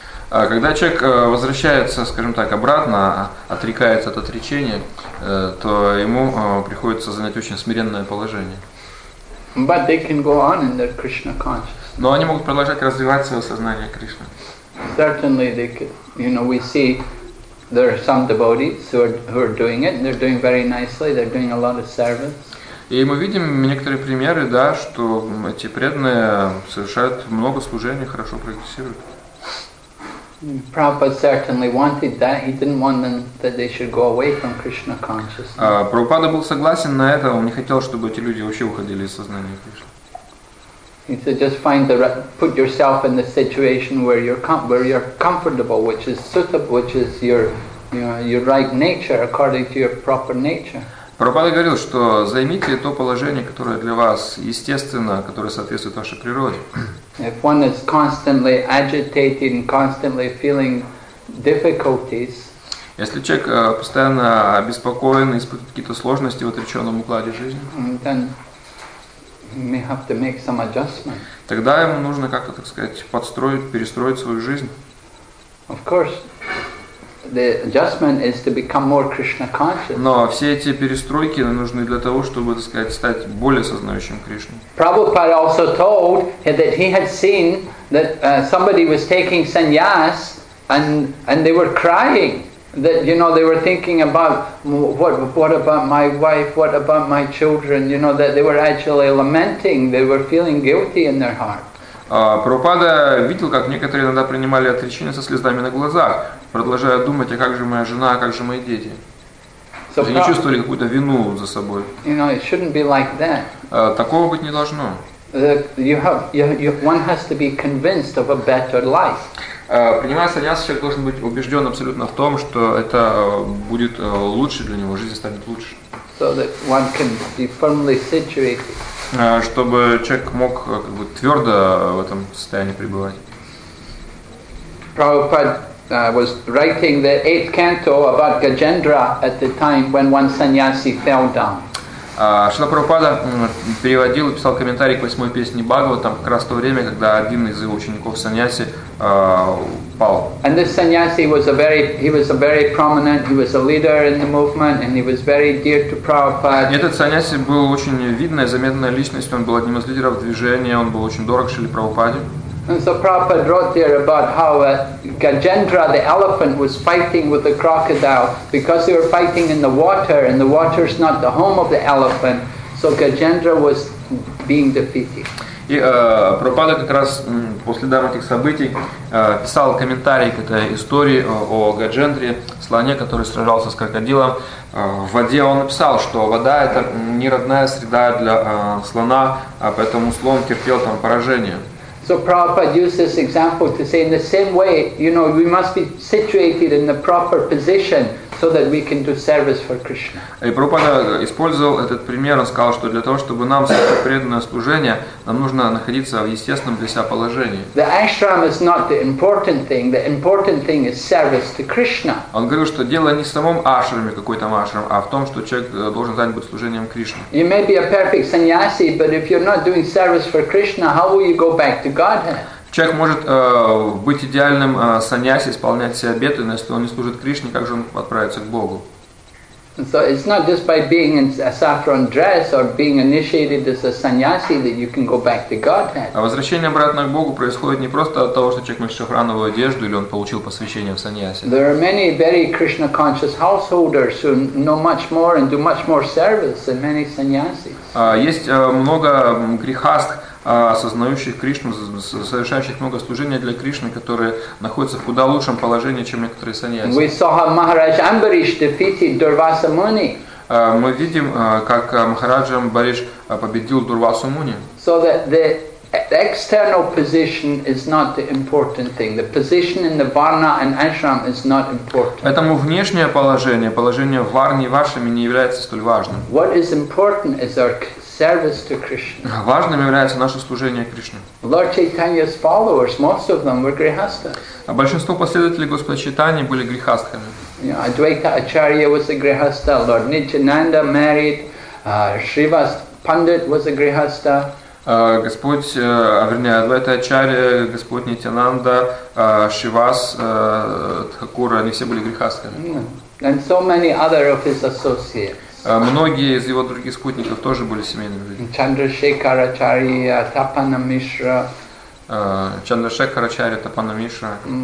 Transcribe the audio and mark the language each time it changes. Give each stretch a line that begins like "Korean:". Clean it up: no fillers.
Russian: Когда человек возвращается, скажем так, обратно, отрекается от отречения, то ему приходится занять очень смиренное положение.
English: But they can go on in their Krishna consciousness.
Russian: Но они могут продолжать развивать свое сознание Кришны.
English: Certainly they could, you know, we see there are some devotees who are doing it, and they're doing very nicely. They're doing a lot of service.
Russian: И мы видим некоторые примеры, да, что эти преданные совершают много служений, хорошо практикуют.
English: Prabhupada certainly wanted that. He didn't want them that they should go away from Krishna consciousness.
Russian: Прабхупада был согласен на это. Он не хотел, чтобы эти люди вообще уходили из сознания Кришны.
English: He said, "Just find the put yourself in the situation where you're comfortable, which is suitable, which is your right nature according to your proper nature."
Russian: Прабхупада говорил, что займите то положение, которое для вас естественно, которое соответствует вашей природе.
English: If one is constantly agitated and constantly feeling difficulties.
Russian: Если человек постоянно обеспокоен и испытывает какие-то сложности в отреченном укладе жизни.
English: Then may have to make some adjustment.
Russian: Тогда ему нужно как-то, так сказать, подстроить, перестроить свою жизнь.
English: Of course, the adjustment is to become more Krishna conscious.
Russian: Но все эти перестройки нужны для того, чтобы, так сказать, стать более сознающим Кришну.
English: Prabhupada also told that he had seen that somebody was taking sannyas and they were crying. That, you know, they were thinking about what about my wife, what about my children, you know, that they were actually lamenting, they were feeling guilty in their heart.
Russian: Прабхупада видел, как некоторые иногда принимали отречение со слезами на глазах, продолжая думать, а как же моя жена, а как же мои дети. So они чувствовали какую-то вину за собой.
English: You know, it shouldn't be like that.
Russian: Такого быть не должно.
English: One has to be convinced of a better life.
Russian: Принимая саньяс, человек должен быть убежден абсолютно в том, что это будет лучше для него, жизнь станет лучше.
English: So that one can be firmly situated.
Russian: Чтобы человек мог как бы твердо в этом состоянии пребывать.
English: Prabhupada was writing the eighth canto about Gajendra at the time when one sannyasi fell down.
Russian: Шрила Прабхупада переводил и писал комментарий к восьмой песне Бхагаватам как раз в то время, когда один из его учеников саньяси упал.
English: And this sannyasi was a very prominent, he was a leader in the movement, and he was very dear to Prabhupada.
Russian: Этот саньяси был очень видной, заметной личностью, он был одним из лидеров движения, он был очень дорог Шриле Прабхупаде.
English: And so Prabhupada wrote there about how Gajendra, the elephant, was fighting with the crocodile because they were fighting in the water, and the water is not the home of the elephant, so Gajendra was being defeated.
Russian: И Прабхупада как раз после данных этих событий писал комментарий к этой истории о Гаджендре, слоне, который сражался с крокодилом. В воде он написал, что вода – это не родная среда для слона, поэтому слон терпел там поражение.
English: So Prabhupada used this example to say, in the same way, you know, we must be situated in the proper position so that we can do service for Krishna.
Russian: И Прабхупада использовал этот пример, он сказал, что для того, чтобы нам совершить преданное служение, нам нужно находиться в естественном для себя положении.
English: The ashram is not the important thing. The important thing is service to Krishna.
Russian: Он говорил, что дело не в самом ашраме, какой там ашрам, а в том, что человек должен занять быть служением Кришне.
English: You may be a perfect sannyasi, but if you're not doing service for Krishna, how will you go back to Godhead?
Russian: Человек может быть идеальным саньяси, исполнять все обеты, но если он не служит Кришне, как же он отправится к Богу?
English: So it's not just by being in a saffron dress or being initiated as a sannyasi that you can go back to Godhead.
Russian: А возвращение обратно к Богу происходит не просто от того, что человек носит шафрановую одежду или он получил посвящение в саньяси.
English: There are many very Krishna conscious householders who know much more and do much more service than many sannyasis.
Russian: Есть много грехастх, осознающих Кришну, совершающих много служения для Кришны, которые находятся в куда лучшем положении, чем некоторые саньяси.
English: We saw how Maharaj Ambarish defeated Durvasa Muni.
Russian: Мы видим, как Махарадж Амбариш победил Дурвасу Муни.
English: So that the external position is not the important thing. The position in the varna and ashram is not important.
Russian: Поэтому внешнее положение, положение в варне и в ашраме не является столь важным.
English: What is important is our service to Krishna.
Russian: Важным является наше служение Кришне.
English: Lord Chaitanya's followers, most of them were grihasthas.
Russian: А большинство последователей Господа Чайтаньи были грихастхами.
English: Advaita Acharya was a grihastha. Lord Nityananda married. Shrivas Pandit was a grihastha.
Russian: Адвайта Ачарья, Господь Нитянанда, Шивас, Тхакура, они все были грихастхами.
English: And so many other of his associates.
Russian: Многие из его других спутников тоже были семейными людьми. Чандрашекарачарья, Тапана Мишра. Чандрашекарачарья, Тапана Мишра.